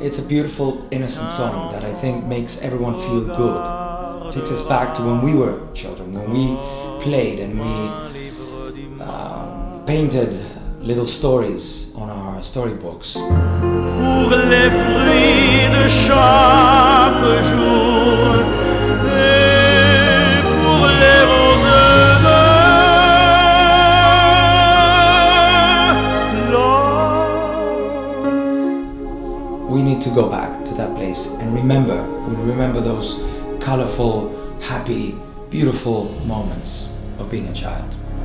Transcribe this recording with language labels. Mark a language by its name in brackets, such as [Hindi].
[English] It's a beautiful, innocent song that I think makes everyone feel good. It takes us back to when we were children, when we played and we painted little stories on our storybooks. [French] Pour les fruits de chaque jour et pour les roses de l'eau. [English] We need to go back to that place and remember those colorful, happy, beautiful moments of being a child.